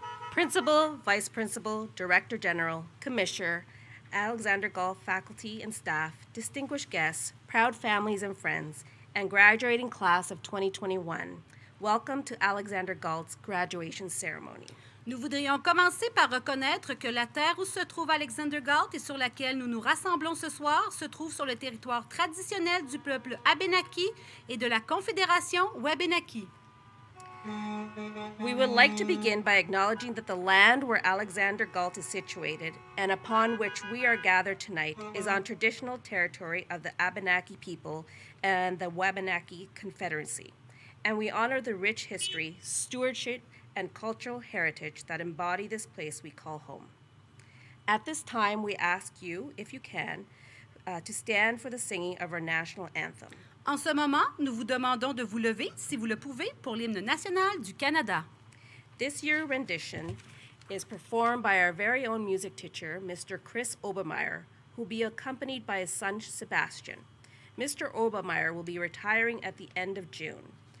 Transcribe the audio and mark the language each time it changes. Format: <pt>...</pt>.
<en>Principal, Vice Principal, Director General, Commissioner, Alexander Gulf faculty and staff, distinguished guests, proud families and friends, and graduating class of 2021, welcome to Alexander Gulf's graduation ceremony.</en> <fr>Nous voudrions commencer par reconnaître que la terre où se trouve Alexander Gulf et sur laquelle nous nous rassemblons ce soir se trouve sur le territoire traditionnel du peuple Abenaki et de la Confédération Wabanaki.</fr> <en>We would like to begin by acknowledging that the land where Alexander Gulf is situated and upon which we are gathered tonight is on traditional territory of the Abenaki people and the Wabanaki Confederacy. And we honor the rich history, stewardship, and cultural heritage that embody this place we call home. At this time, we ask you, if you can, to stand for the singing of our national anthem.</en> <fr>En ce moment, nous vous demandons de vous lever, si vous le pouvez, pour l'hymne national du Canada.</fr> <en>This year's rendition is performed by our very own music teacher, Mr. Chris Obermeyer, who will be accompanied by his son, Sebastian. Mr. Obermeyer will be retiring at the end of June.</en>